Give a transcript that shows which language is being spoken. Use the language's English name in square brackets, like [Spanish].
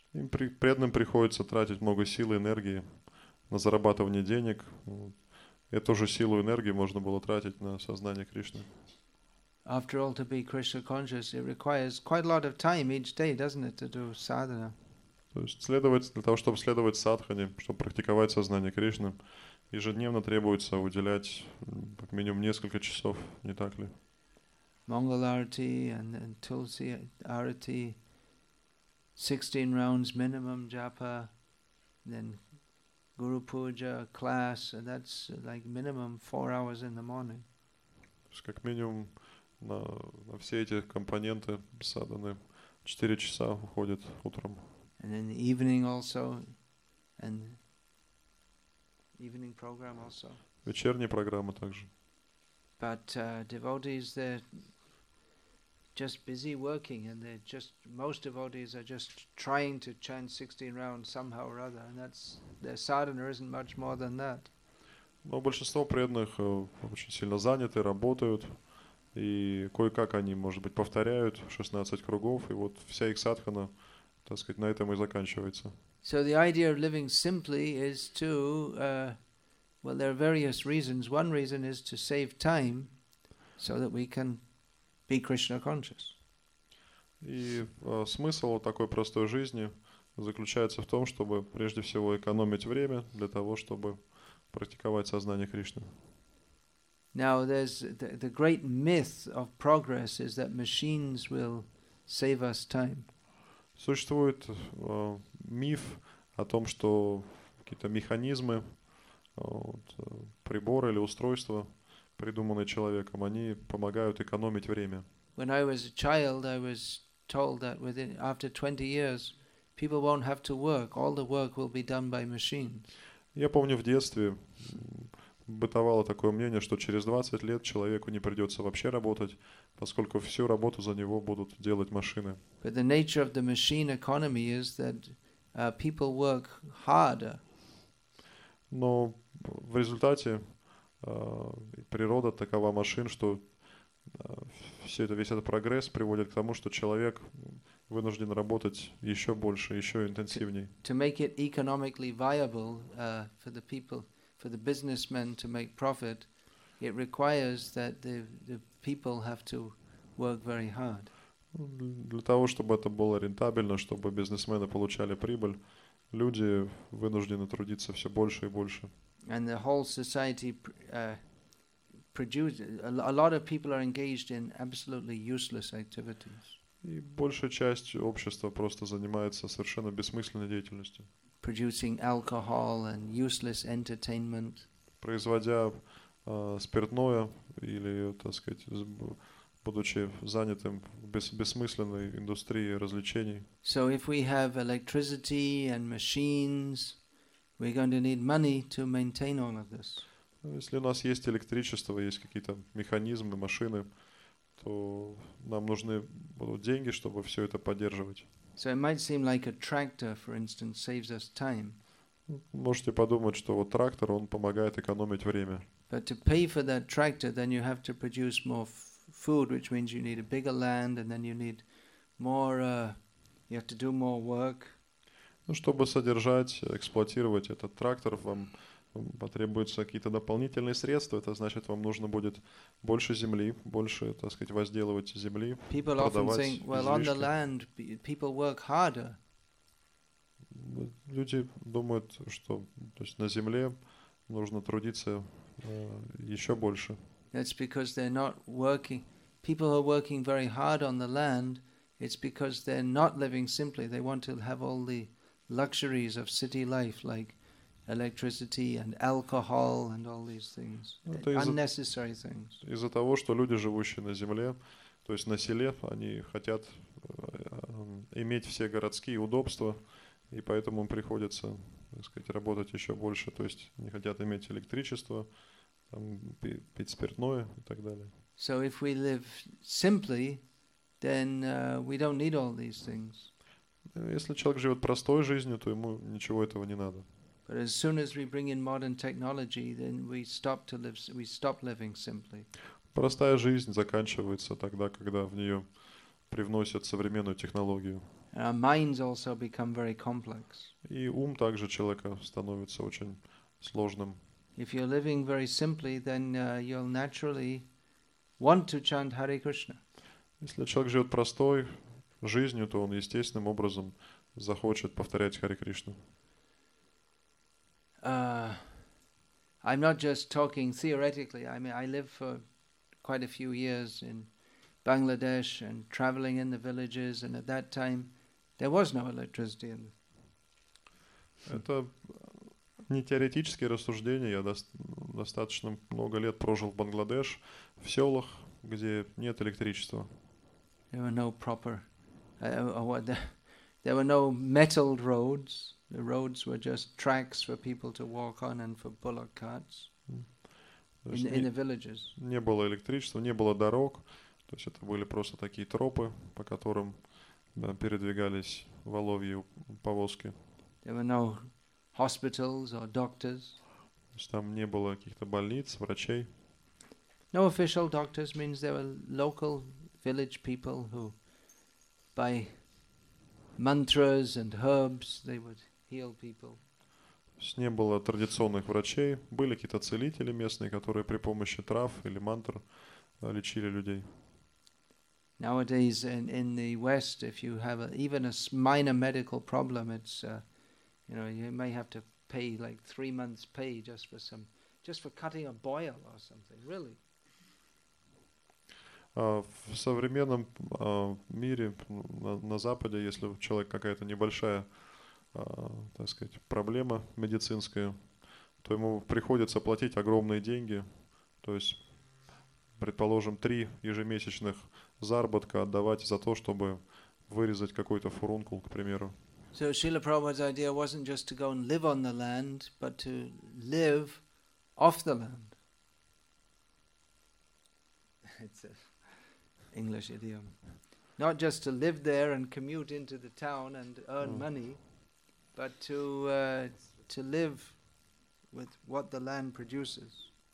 [Russian] Им преданным приходится тратить много сил и энергии на зарабатывание денег. Эту же силу и энергию можно было тратить на сознание Кришны. [English] After all, to be Krishna conscious, it requires quite a lot of time each day, doesn't it, to do sadhana? [Russian] То есть следовать для того, чтобы следовать садхане, чтобы практиковать сознание Кришны, ежедневно требуется уделять как минимум несколько часов, не так ли? [English] Mangal arati and tulsi arati, 16 rounds minimum japa, then Guru Puja, class, and that's like minimum 4 hours in the morning. [Russian] Как минимум на все эти компоненты саданы 4 часа уходит утром. [English] And in the evening also, and evening program also. [Russian] Вечерняя программа также. [English] But devotees, they're just busy working, and they're just, most devotees are just trying to chant 16 rounds somehow or other, and that's, their sadhana isn't much more than that. [Russian] Но большинство преданных очень сильно заняты, работают, и кое-как они, может быть, повторяют 16 кругов, и вот вся их садхана, так сказать, на этом и заканчивается. [English] So the idea of living simply is to, well, there are various reasons. One reason is to save time so that we can be Krishna conscious. [Russian] И смысл такой простой жизни заключается в том, чтобы прежде всего экономить время для того, чтобы практиковать сознание Кришны. [English] Now there's the great myth of progress is that machines will save us time. [Russian] Существует миф о том, что какие-то механизмы, приборы или устройства, придуманные человеком, они помогают экономить время. [English] When I was a child, I was told that within after 20 years, people won't have to work. All the work will be done by machines. [Russian] Я помню, в детстве бытовало такое мнение, что через 20 лет человеку не придется вообще работать, поскольку всю работу за него будут делать машины. [English] But the nature of the machine economy is that people work harder. [Russian] Но в результате природа такова машин, что весь этот прогресс приводит к тому, что человек вынужден работать еще больше, еще интенсивней. [English] To make it economically viable for the people, for the businessmen to make profit, it requires that the people have to work very hard. [Russian] Для того, чтобы это было рентабельно, чтобы бизнесмены получали прибыль, люди вынуждены трудиться все больше и больше. [English] And the whole society produces, a lot of people are engaged in absolutely useless activities. [Russian] И большая часть общества просто занимается совершенно бессмысленной деятельностью. [English] Producing alcohol and useless entertainment. [Russian] Производя спиртное или, так сказать, будучи занятым в бессмысленной индустрии развлечений. [English] So if we have electricity and machines, we're going to need money to maintain all of this. [Russian] Если у нас есть электричество, есть какие-то механизмы, машины, то нам нужны будут деньги, чтобы все это поддерживать. [English] So it might seem like a tractor, for instance, saves us time. [Russian] Можете подумать, что вот трактор, он помогает экономить время. [English] But to pay for that tractor, then you have to produce more food, which means you need a bigger land, and then you need more, you have to do more work. [Russian] Ну, чтобы содержать, эксплуатировать этот трактор, вам потребуются какие-то дополнительные средства. Это значит, вам нужно будет больше земли, больше, так сказать, возделывать земли, [English] people [Russian] продавать [English] think, well, [Russian] излишки. [English] On the land, people work harder. [Russian] Люди думают, что, то есть, на земле нужно трудиться еще больше. [English] That's because they're not working. People are working very hard on the land. It's because they're not living simply. They want to have all the luxuries of city life, like electricity and alcohol and all these things, unnecessary things. [Russian] Из-за того, что люди, живущие на земле, то есть на селе, они хотят иметь все городские удобства, и поэтому приходится, так сказать, работать еще больше, то есть не хотят иметь электричество, там, пить спиртное и так далее. [English] So if we live simply, then we don't need all these things. [Russian] Если человек живет простой жизнью, то ему ничего этого не надо. [English] But as soon as we bring in modern technology, then we stop to live. We stop living simply. [Russian] Простая жизнь заканчивается тогда, когда в нее привносят современную технологию. [English] And our minds also become very complex. [Russian] И ум также человека становится очень сложным. [English] If you're living very simply, then you'll naturally want to chant Hare Krishna. [Russian] Если человек живет простой жизнью, то он естественным образом захочет повторять Харе Кришну. [English] I'm not just talking theoretically. I mean, I live for quite a few years in Bangladesh and traveling in the villages. And at that time, there was no electricity. [Russian] Это не теоретические рассуждения. Я достаточно много лет прожил в Бангладеш, в селах, где нет электричества. [English] There were no proper, there were no metal roads. The roads were just tracks for people to walk on and for bullock carts. In the villages. [Russian] Не было электричества, не было дорог. То есть это были просто такие тропы, по которым передвигались воловьи повозки. [English] There were no hospitals or doctors. [Russian] То есть там не было каких-то больниц, врачей. [English] No official doctors means there were local village people who by mantras and herbs they would heal people. [Russian] То есть не было традиционных врачей, были какие-то целители местные, которые при помощи трав или мантр лечили людей. [English] Nowadays in the West, if you have even a minor medical problem, it's you know, you may have to pay like 3 months' pay just for cutting a boil or something, really. [Russian] В современном мире на Западе, если у человека какая-то небольшая, так сказать, проблема медицинская, то ему приходится платить огромные деньги, то есть, предположим, 3 ежемесячных заработка отдавать за то, чтобы вырезать какой-то фурункул, к примеру. [English] So Srila Prabhupada's idea wasn't just to go and live on the land, but to live off the land. It's a English idiom. Not just to live there and commute into the town and earn money, but to live with what the land produces.